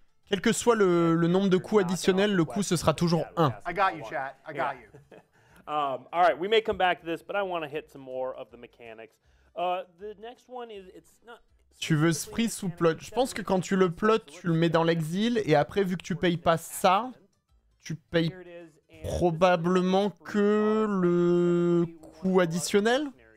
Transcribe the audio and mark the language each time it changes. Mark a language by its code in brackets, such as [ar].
[fr] Quel que soit le nombre de coups additionnels, le coup ce sera toujours 1. [en] I got you, chat. I got you. All right, we may come back to this, but I want to hit some more of the mechanics. The next one is it's not. [fr] Tu veux Spree sous plot. Je pense que quand tu le plot, tu le mets dans l'exil et après vu que tu payes pas ça, tu payes probablement que le coût additionnel.